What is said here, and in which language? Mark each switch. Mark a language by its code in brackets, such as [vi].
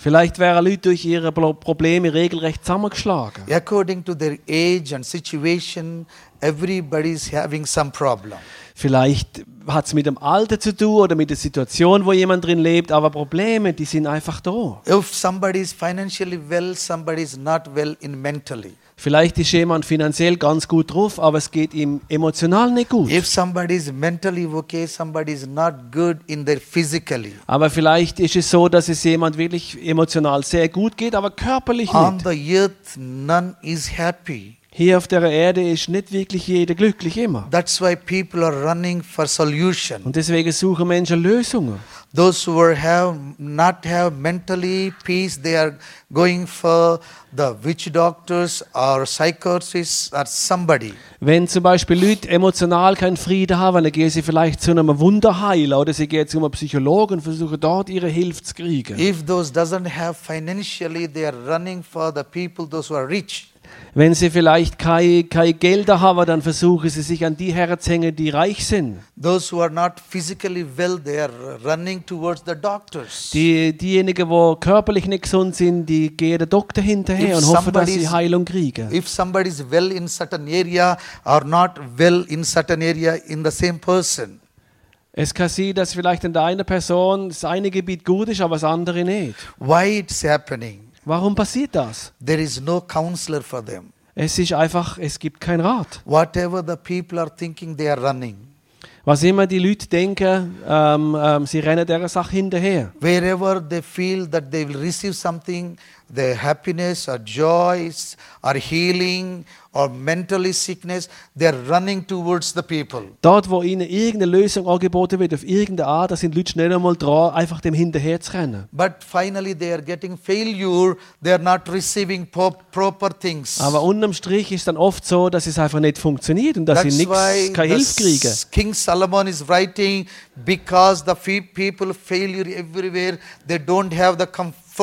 [de] Vielleicht wären Leute durch ihre Probleme regelrecht zusammengeschlagen. [en] According to their age and situation everybody's having some problem. [de] Vielleicht hat es mit dem Alter zu tun oder mit der Situation, wo jemand drin lebt, aber Probleme, die sind einfach da. [en] If somebody is financially well, somebody is not well in mentally. [de] Vielleicht ist jemand finanziell ganz gut drauf, aber es geht ihm emotional nicht gut. [en] If somebody is mentally okay, somebody is not good in their physically. [de] Aber vielleicht ist es so, dass es jemand wirklich emotional sehr gut geht, aber körperlich nicht. [en] On the earth, none is happy. [de] Hier auf der Erde ist nicht wirklich jeder glücklich immer. [en] That's why people are running for solution. [de] Und deswegen suchen Menschen Lösungen. [en] Those who not have mentally peace, they are going for the witch doctors or psychiatrists or somebody. [de] Wenn zum Beispiel Leute emotional keinen Frieden haben, dann gehen sie vielleicht zu einem Wunderheiler oder sie gehen zu einem Psychologen und versuchen dort ihre Hilfe zu kriegen. [en] If those doesn't have financially, they are running for the people, those who are rich. [de] Wenn sie vielleicht kein Geld haben, dann versuchen sie sich an die herzuhängen, die reich sind. [en] Those who are not physically well, they are running towards the doctors. [de] Diejenigen, wo körperlich nicht gesund sind, die gehen der Doktor hinterher und hoffen, dass sie Heilung kriegen. [en] If somebody is well in certain area or not well in certain area in the same person. [de] Es kann sein, dass vielleicht in der einen Person das eine Gebiet gut ist, aber das andere nicht. [en] Why it's happening? [de] Warum passiert das? [en] There is no counselor for them. [de] Es ist einfach, es gibt keinen Rat. [en] Whatever the people are thinking, they are running. [de] Was immer die Leute denken, sie rennen der Sache hinterher. [en] Wherever they feel that they will receive something, their happiness or joy or healing or mentally sickness, they are running towards the people. [de] Dort, wo ihnen irgendeine Lösung angeboten wird, auf irgendeine Art, da sind Leute schnell einmal dran, einfach dem hinterher zu rennen. [en] But finally they are getting failure, they are not receiving proper things. [de] Aber unterm Strich ist dann oft so, dass es einfach nicht funktioniert und dass sie nichts, keine Hilfe kriegen. [en] King Solomon is writing, because the people failure everywhere, they don't have the comfort.